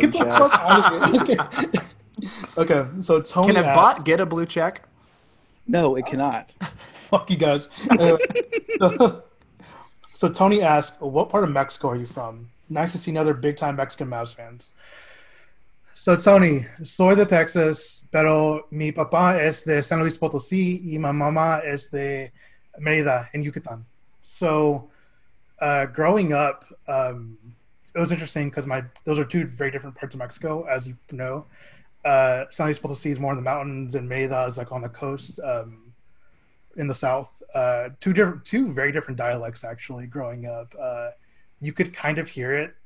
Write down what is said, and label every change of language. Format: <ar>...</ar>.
<en>Get the fuck out of here. Okay, so Tony, can a bot get a blue check? No, it cannot. Fuck you guys. Anyway, so Tony asked, what part of Mexico are you from? Nice to see another big time Mexican Mavs fans.</en> <es>So Tony, soy de Texas, pero mi papá es de San Luis Potosí y mi mamá es de Mérida in Yucatán.</es> <en>So growing up, it was interesting because those are two very different parts of Mexico, as you know. San Luis Potosí is more in the mountains, and Mérida is like on the coast, in the south. Two very different dialects, actually, growing up. You could kind of hear it.</en>